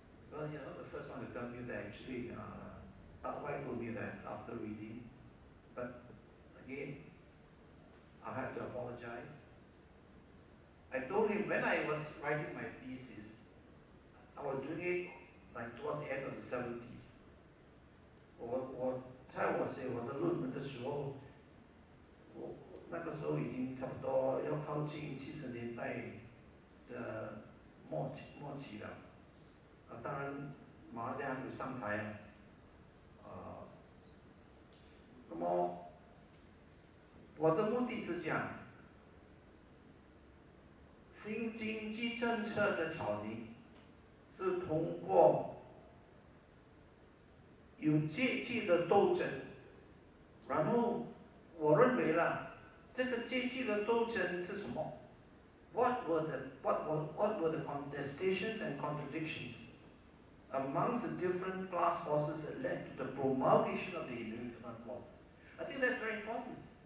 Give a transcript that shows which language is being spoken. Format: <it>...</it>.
<en>Well, you're not the first one to tell me that actually. Tak Wai told me that after reading. But again, I have to apologize. I told him when I was writing my thesis,I was doing it like towards the end of the 70s.</en> <zh>我在我写我的论文的时候，我那个时候已经差不多要靠近70年代的末期了。当然马上还没有上台啊。那么我的目的是讲新经济政策的草拟。是通过有阶级的斗争，然后我认为了这个阶级的斗争是什么</zh> <en>？What were the contestations and contradictions amongst the different class forces that led to the promulgation of the Enlightenment laws? I think that's very important.</en>